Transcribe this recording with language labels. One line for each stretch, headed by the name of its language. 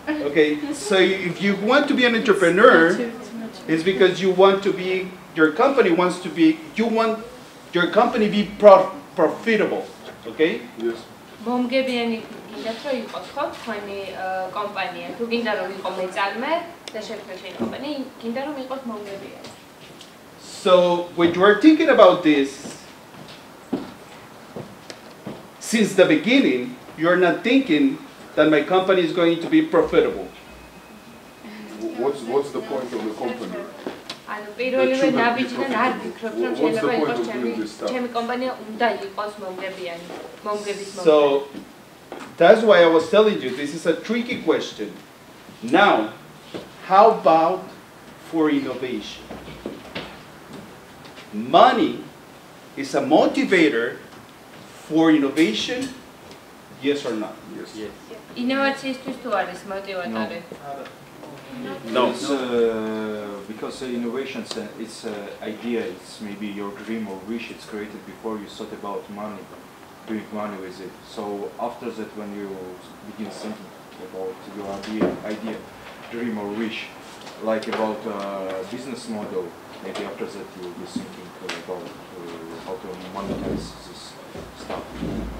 English: Okay, so if you want to be an entrepreneur, it's because you want to be, your company wants to be, you want your company be profitable, okay? Yes.
Georgian: მომგებიანი გინდათ რომ იყოს ხო თქვენი კომპანია, თუ გინდა რომ იყოს მეწარმე და შექმნა კომპანია, გინდა რომ იყოს მომგებიანი.
English: So when you are thinking about this, since the beginning, you're not thinking that my company is going to be profitable. What's the point of the company?
Georgian: ანუ პირველივე ნაბიჯიდან არ ვფიქრობ რომ შეიძლება იყოს ჩემი კომპანია უნდა იყოს მომგებიანი, მომგების მომგებიანი.
English: So that's why I was telling you this is a tricky question. Now, how about for innovation? Money is a motivator for innovation, yes or not? Yes.
Georgian: ინოვაციისთვის თუ არის მოტივატორი?
English: No, because innovation it's an idea, it's maybe your dream or wish, it's created before you thought about money, doing money with it. So after that, when you begin thinking about your idea, dream or wish, like about business model, maybe after that you'll be thinking about how to monetize this stuff.